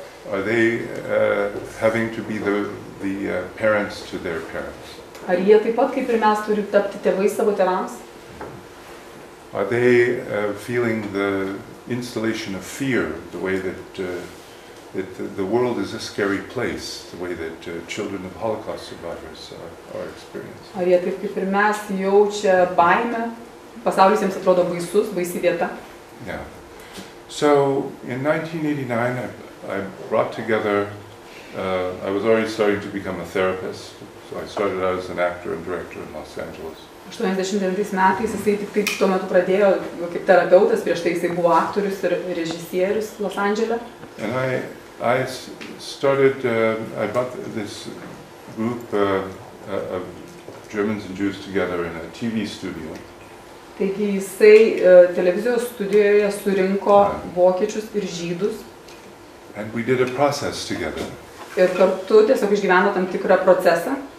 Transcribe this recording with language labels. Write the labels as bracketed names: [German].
[English] Are they having to be the parents to their parents? [Lithuanian] Ar jie taip pat, kaip ir mes, turi tapti tėvai savo tėvams? [English] Are they feeling the installation of fear, the way that that the world is a scary place, the way that children of Holocaust survivors are experiencing? [Lithuanian] Ar jie taip, kaip ir mes, jaučia baimę? Pasaulis jiems atrodo baisus, baisi vieta? [English] Yeah. So, in 1989, I brought together, I was already starting to become a therapist, so I started out as an actor and director in Los Angeles. [Lithuanian] 89 metais jisai tik tai tuo metu pradėjo kaip terapeutas, prieš tai jisai buvo aktorius ir režisierius Los Angeles. [English] And I started, I brought this group of Germans and Jews together in a TV studio. [Lithuanian] Taigi jisai televizijos studijoje surinko vokiečius ir žydus. [English] And we did a process together. [Lithuanian] Ir kartu tiesiog išgyveno tam tikrą procesą.